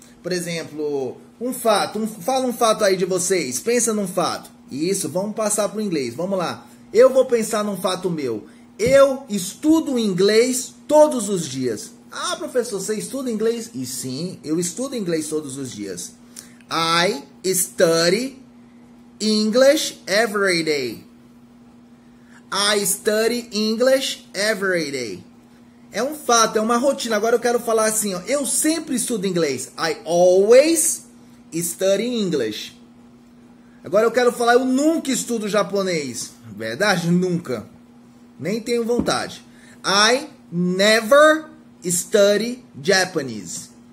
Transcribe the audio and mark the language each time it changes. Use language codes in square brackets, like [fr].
[pt] Por exemplo, um fato. Fala um fato aí de vocês. Pensa num fato. Isso, vamos passar para o inglês. Vamos lá. Eu vou pensar num fato meu. Eu estudo inglês todos os dias. Ah, professor, você estuda inglês? E sim, eu estudo inglês todos os dias. [en] I study English every day. I study English every day. [pt] É um fato, é uma rotina. Agora eu quero falar assim, ó. Eu sempre estudo inglês. [en] I always study English. [pt] Agora eu quero falar, eu nunca estudo japonês. Verdade? Nunca. Nem tenho vontade. [en] I never study Japanese.